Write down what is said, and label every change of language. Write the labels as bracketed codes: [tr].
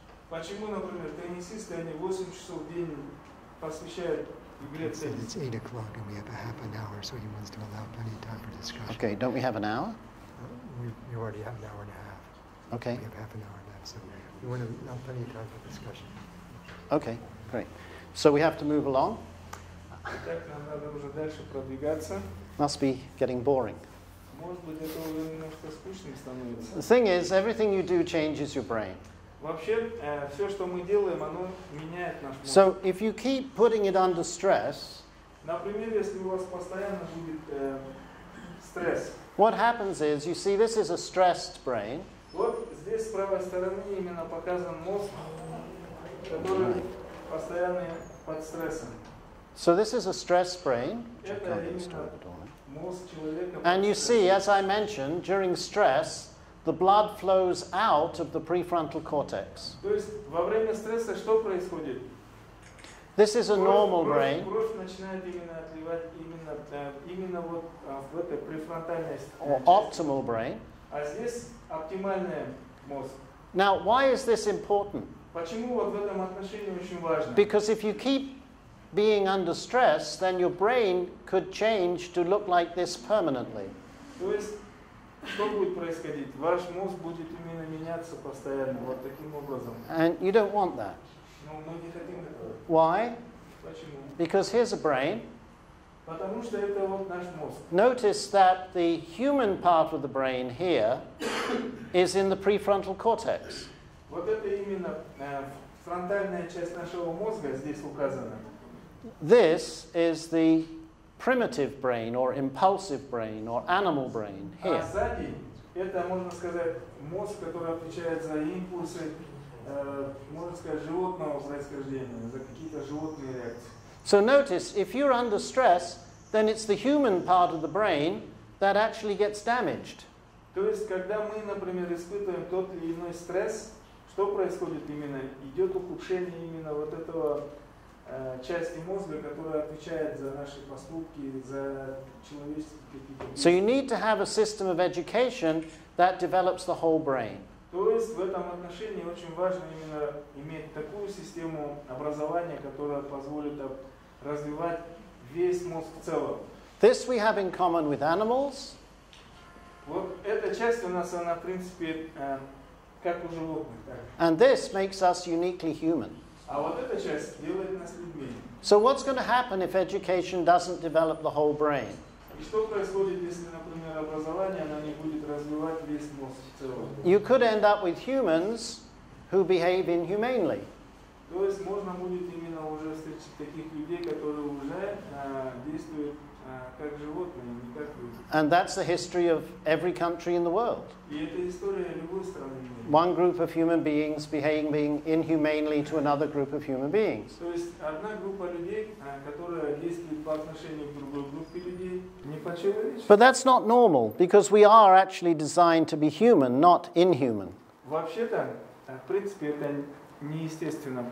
[ru] Почему, например, теннисисты, они 8 часов в день посвящают игре теннис? [en] It's 8 o'clock and we have a half an hour, so he wants to allow plenty of time for discussion. Okay, don't we have an hour? You already have an hour and a half. Okay. We have half an hour and a half, so we want to allow plenty of time for discussion. Okay, great. So we have to move along? [ru] Итак, нам надо уже дальше продвигаться. [en] Must be getting boring. [ru] Может быть, это уже немножко скучным становится. [en] The thing is, everything you do changes your brain. [ru] Вообще, все, что мы делаем, оно меняет наш мозг. [en] So, if you keep putting it under stress, [ru] например, если у вас постоянно будет стресс, [en] what happens is, you see, this is a stressed brain. [ru] Вот здесь, с правой стороны, именно показан мозг, который постоянно под стрессом. [en] So, this is a stressed brain. [ru] Это именно мозг человека. [en] And you see, as I mentioned, during stress, the blood flows out of the prefrontal cortex. [ru] То есть во время стресса что происходит? [en] This is a normal brain. [ru] Кровь начинает именно отливать именно вот в этой префронтальной части. [en] Optimal brain. [ru] А здесь оптимальный мозг. [en] Now, why is this important? [ru] Почему вот в этом отношении очень важно? [en] Because if you keep being under stress, then your brain could change to look like this permanently. [ru] То есть что будет происходить? Ваш мозг будет именно меняться постоянно, вот таким образом. [en] And you don't want that. [ru] Но мы не хотим этого. [en] Why? [ru] Почему? [en] Because here's a brain. [ru] Потому что это вот наш мозг. [en] Notice that the human part of the brain here is in the prefrontal cortex. [ru] Вот это именно фронтальная часть нашего мозга здесь указана. [en] This is the primitive brain or impulsive brain or animal brain here. [ru] А сзади это, можно сказать, мозг, который отвечает за импульсы, можно сказать, животного происхождения, за какие-то животные реакции. [en] So notice, if you're under stress, then it's the human part of the brain that actually gets damaged. [ru] То есть, когда мы, например, испытываем тот или иной стресс, что происходит именно? Идет ухудшение именно вот этого части мозга, которая отвечает за наши поступки, за человеческие какие-то... [en] So you need to have a system of education that develops the whole brain. [ru] То есть в этом отношении очень важно именно иметь такую систему образования, которая позволит развивать весь мозг в целом. [en] This we have in common with animals. [ru] Вот эта часть у нас, она в принципе как у животных. [en] And this makes us uniquely human. [ru] А вот эта часть делает нас людьми. [en] So what's going to happen if education doesn't develop the whole brain? [ru] И что происходит, если, например, образование, оно не будет развивать весь мозг в целом? [en] You could end up with humans who behave inhumanely. [ru] То есть можно будет именно уже встретить таких людей, которые уже действуют как животные, не как люди. [en] And that's the history of every country in the world. [ru] И это история любой страны. [en] One group of human beings behaving inhumanely to another group of human beings. [ru] То есть одна группа людей, которая действует по отношению к другой группе людей, не по-человечески. [en] But that's not normal, because we are actually designed to be human, not inhuman. [ru] Вообще-то, в принципе, это неестественно.